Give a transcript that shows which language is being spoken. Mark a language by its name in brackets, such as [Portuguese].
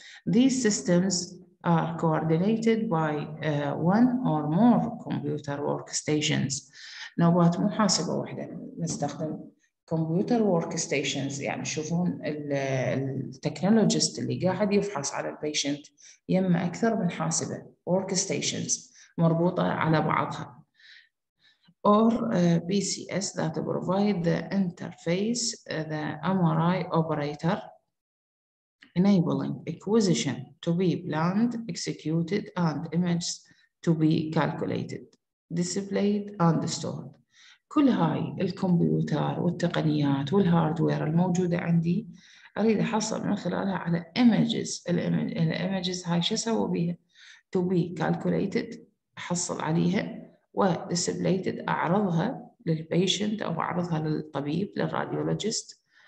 [English] These systems are coordinated by one or more computer workstations. [Arabic] نوبات مو حاسبة واحدة، نستخدم computer workstations. يعني شوفون التكنولوجيست اللي قاعد يفحص على البيشنت يم أكثر من حاسبة، workstations مربوطة على بعضها. [English] Or PCS that provide the interface, the MRI operator, enabling acquisition to be planned, executed, and images to be calculated, displayed, and stored. [Arabic] كل هاي الكمبيوتر والتقنيات والهاردوير الموجودة عندي أريد أحصل من خلالها على images. الimages هاي شو أسوي بيها؟ [English] To be calculated، [Arabic] أحصل عليها و displayed، أعرضها للبيشنت أو أعرضها للطبيب للراديولوجيست.